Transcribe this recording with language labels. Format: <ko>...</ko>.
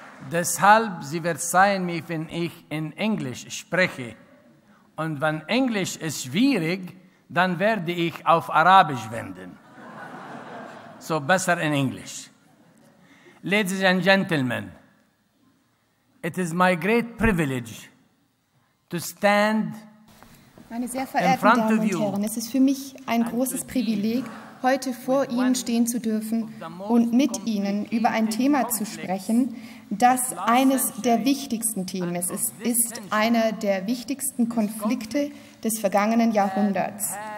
<de>Deshalb, Sie verzeihen mich, wenn ich in Englisch spreche. Und wenn Englisch ist schwierig, dann werde ich auf Arabisch wenden. So besser in Englisch.</de> <en>Ladies and Gentlemen, it is my great privilege to stand</en> <de>meine sehr verehrten Damen und Herren, es ist für mich ein großes Privileg, heute vor Ihnen stehen zu dürfen und mit Ihnen über ein Thema zu sprechen, das eines der wichtigsten Themen ist. Es ist einer der wichtigsten Konflikte des vergangenen Jahrhunderts.</de>